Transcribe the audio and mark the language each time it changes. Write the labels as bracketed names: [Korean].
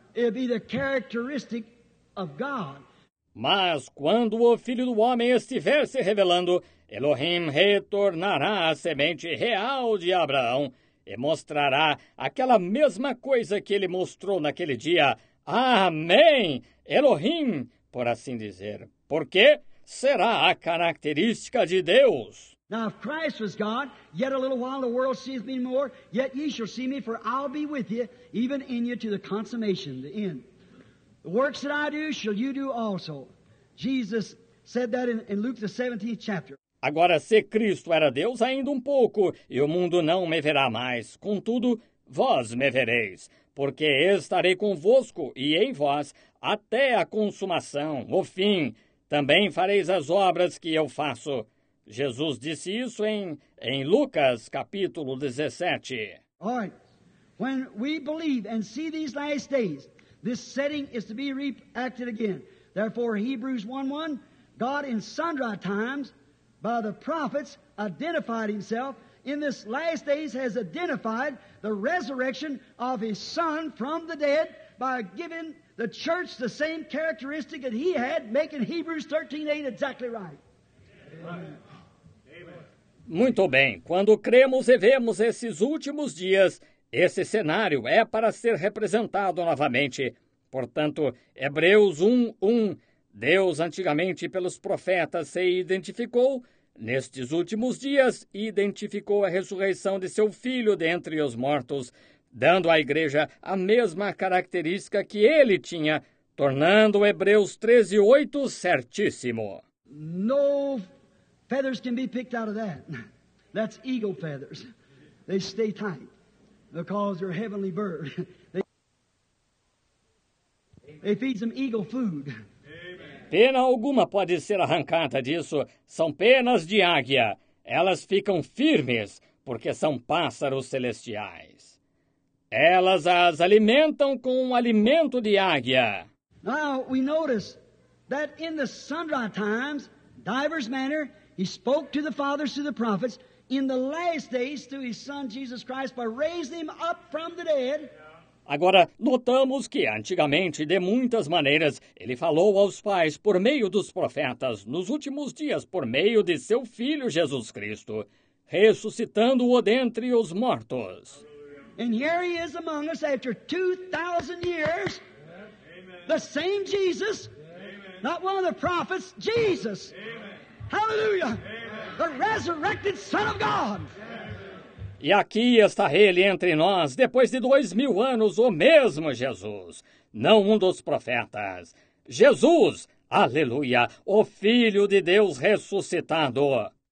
[English] It'd be the characteristic of God. [Portuguese] Mas quando o Filho do Homem estiver se revelando, Elohim retornará à semente real de Abraão e mostrará aquela mesma coisa que ele mostrou naquele dia. Amém! Elohim! Por assim dizer, porque será a característica de Deus. [English] Now, if Christ was God, yet a little while the world sees me more, yet ye shall see me, for I'll be with you, even in you, to the consummation, the end. The works that I do, shall you do also. Jesus said that in Luke, the 17th chapter. [Portuguese] Agora, se Cristo era Deus ainda um pouco, e o mundo não me verá mais, contudo, vós me vereis, porque estarei convosco e em vós, até a consumação, o fim, também fareis as obras que eu faço. Jesus disse isso em Lucas, capítulo 17. [English] All right. When we believe and see these last days, this setting is to be reacted again. Therefore, Hebrews 1:1, God in sundry times, by the prophets, identified himself. In this last days has identified the resurrection of his son from the dead by giving the church the same characteristic that he had, making Hebrews 13:8 exactly right. Amen. [Portuguese] Muito bem. Quando cremos e vemos esses últimos dias, esse cenário é para ser representado novamente. Portanto, Hebreus 1:1, Deus antigamente pelos profetas se identificou, nestes últimos dias identificou a ressurreição de seu filho dentre os mortos, dando à igreja a mesma característica que ele tinha, tornando Hebreus 13:8 certíssimo. [English] No feathers can be picked out of that. That's eagle feathers. They stay tight. because they're heavenly bird. They feed them eagle food. [Portuguese] Pena alguma pode ser arrancada disso. São penas de águia. Elas ficam firmes porque são pássaros celestiais. Elas as alimentam com um alimento de águia. [English] Now we notice that in the sundry times, divers manner, he spoke to the fathers through the prophets. In the last days, through his Son Jesus Christ, by raising him up from the dead. [Portuguese] Agora, notamos que antigamente, de muitas maneiras, ele falou aos pais por meio dos profetas, nos últimos dias, por meio de seu Filho Jesus Cristo, ressuscitando-o dentre os mortos. [English] And here he is among us after 2,000 years, the same Jesus, not one of the prophets, Jesus. Hallelujah! Amen. The resurrected Son of God! [Portuguese] E aqui está ele entre nós, depois de 2,000 anos, o mesmo Jesus, não um dos profetas. Jesus, aleluia, o Filho de Deus ressuscitado.